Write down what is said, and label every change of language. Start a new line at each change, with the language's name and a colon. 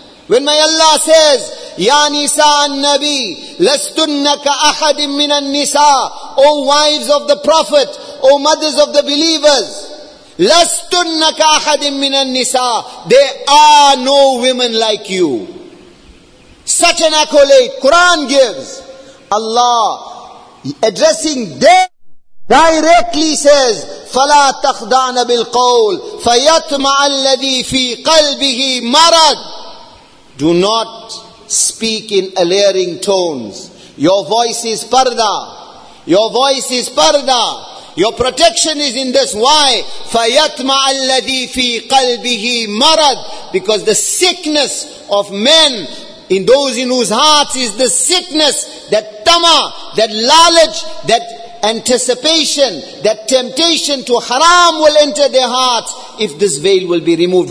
English: When my Allah says,
Arabic: "Ya Nisa al-Nabi, lastunnaka ahadim minan nisa,"
English: O wives of the Prophet, O mothers of the believers,
Arabic: lastunnaka ahadim minan nisa,
English: there are no women like you. Such an accolade Quran gives. Allah, addressing them, directly says,
Arabic: فَلَا تَخْدَعْنَ بِالْقَوْلِ فَيَطْمَعَ الَّذِي فِي قَلْبِهِ مَرَدٍ.
English: Do not speak in alluring tones. Your voice is parda. Your voice is parda. Your protection is in this. Why?
Arabic: فَيَطْمَعَ الَّذِي فِي قَلْبِهِ مَرَدٍ.
English: Because the sickness of men, in those in whose hearts is the sickness, that tamah, that lalage, that anticipation, that temptation to haram will enter their hearts if this veil will be removed.